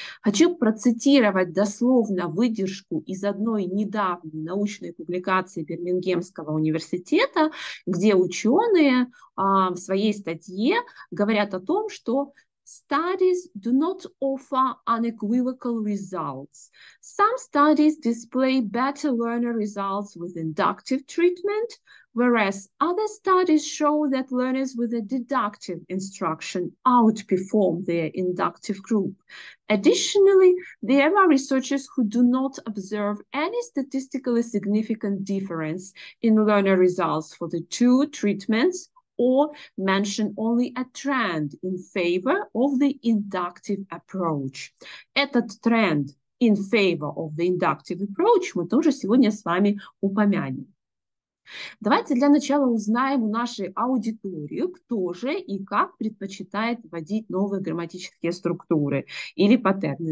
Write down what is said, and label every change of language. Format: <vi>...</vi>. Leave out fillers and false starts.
<ru>Хочу процитировать дословно выдержку из одной недавней научной публикации Бирмингемского университета, где ученые в своей статье говорят о том, что</ru> <en>studies do not offer unequivocal results. Some studies display better learner results with inductive treatment, whereas other studies show that learners with a deductive instruction outperform their inductive group. Additionally, there are researchers who do not observe any statistically significant difference in learner results for the two treatments, or mention only a trend in favor of the inductive approach.</en> <ru>Этот</ru> <en>trend in favor of the inductive approach</en> <ru>мы тоже сегодня с вами упомянем. Давайте для начала узнаем у нашей аудитории, кто же и как предпочитает вводить новые грамматические структуры или паттерны.</ru>